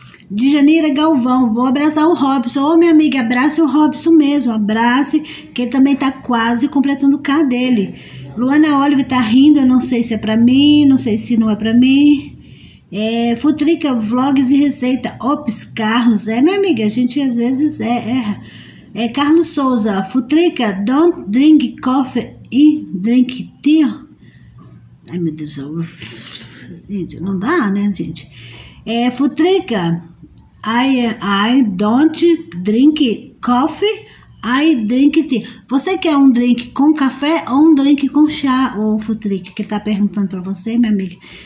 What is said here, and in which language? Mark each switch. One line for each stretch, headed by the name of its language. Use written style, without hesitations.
Portuguese: De Janeiro Galvão, vou abraçar o Robson. Minha amiga, abraça o Robson mesmo, abrace, que ele também tá quase completando o K dele. Luana Oliver tá rindo, eu não sei se é pra mim, não sei se não é pra mim. Futrica, vlogs e receita. Ops, Carlos, minha amiga, a gente às vezes erra.
English: Carlos Souza, Futrica, don't drink coffee e drink tea.
Portuguese: Ai, meu Deus, gente, não dá, né, gente?
English: Futrica, I don't drink coffee, I drink tea.
Portuguese: Você quer um drink com café ou um drink com chá, Futrica, que tá perguntando pra você, minha amiga?